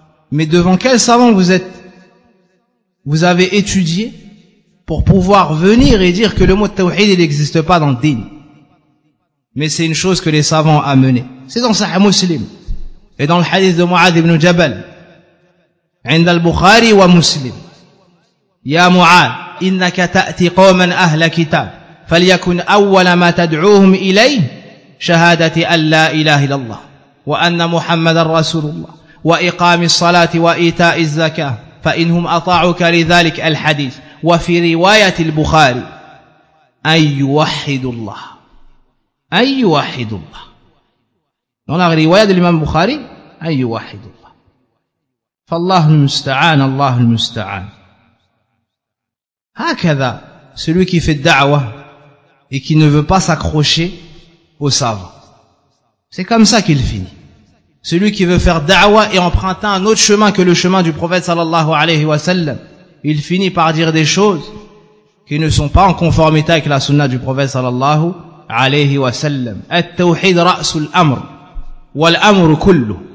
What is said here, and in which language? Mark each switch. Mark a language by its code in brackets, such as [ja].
[fr] Mais devant quel savant vous êtes? Vous avez étudié pour pouvoir venir et dire que le mot tawhid, il n'existe pas dans le din. Mais c'est une chose que les savants ont amené. C'est dans Sahih Muslim. Et dans le hadith de Mu'adh ibn Jabal. [ar] عند البخاري ومسلم يا معاذ إنك تأتي قوما أهل كتاب فليكن أول ما تدعوهم إليه شهادة أن لا إله إلا الله وأن محمد رسول الله وإقام الصلاة وإيتاء الزكاة فإنهم أطاعوك لذلك الحديث وفي رواية البخاري أي وحد الله [fr] dans la riwaya de l'imam Bukhari [ar] أي وحد الله فالله المستعان الله المستعان هكذا [fr] celui qui fait da'wa et qui ne veut pas s'accrocher aux savants, c'est comme ça qu'il finit. Celui qui veut faire da'wa et emprunter un autre chemin que le chemin du prophète sallallahu alayhi wa sallam, il finit par dire des choses qui ne sont pas en conformité avec la sunna du prophète sallallahu alayhi wa sallam. [ar] At-tawhid ra'sul amr wal amr kullu.